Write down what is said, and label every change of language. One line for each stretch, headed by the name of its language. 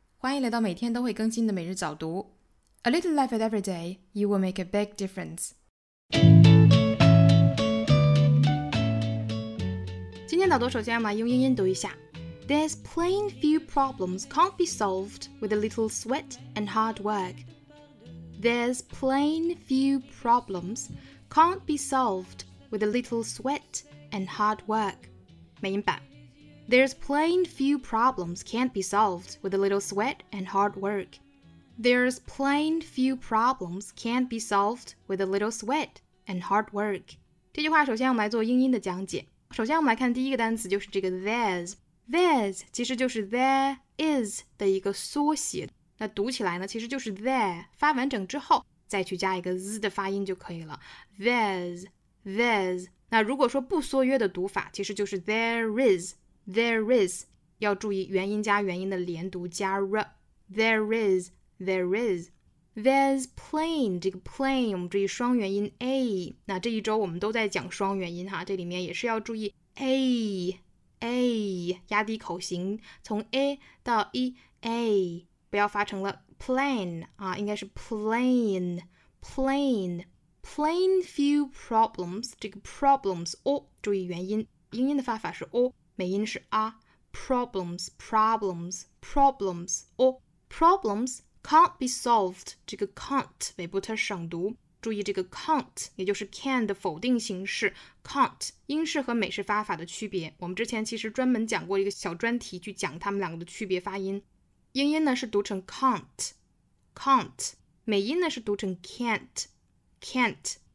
Chinese: 欢迎来到每天都会更新的每日早读。
English: A little life at every day, you will make a big difference.
Chinese: 今天早读首先要来用英音读一下。
English: There's plain few problems can't be solved with a little sweat and hard work. There's plain few problems can't be solved with a little sweat and hard work.
Chinese: 美音版。
English: There's plain few problems can't be solved with a little sweat and hard work. There's plain few problems can't be solved with a little sweat and hard work.
Chinese: 这句话首先我们来做英音的讲解。首先我们来看第一个单词就是这个 there's. There's 其实就是 there is 的一个缩写。那读起来呢其实就是 there, 发完整之后再去加一个 z 的发音就可以了。
English: There's, there's.
Chinese: 那如果说不缩约的读法其实就是 there is. There is, 要注意元音加元音的连读加 r.
English: There is, there is.
Chinese: There's plain, 这个 plain, 我们注意双元音 a. 那这一周我们都在讲双元音哈，这里面也是要注意 a, a, 压低口型，从 a 到 e, a, 不要发成了 plain, 啊，应该是 plain, plain.
English: Plain few problems,
Chinese: 这个 problems, o, 注意元音，英音的发法是 o. 美音是
English: a, problems, problems, problems, or problems can't be solved.
Chinese: 这个 can't, 尾部它省读。注意这个 can't, 也就是 can 的否定形式 can't, 英式和美式发法的区别。我们之前其实专门讲过一个小专题去讲它们两个的区别发音。英音呢是读成 can't, can't, 美音呢是读成 can't, can't。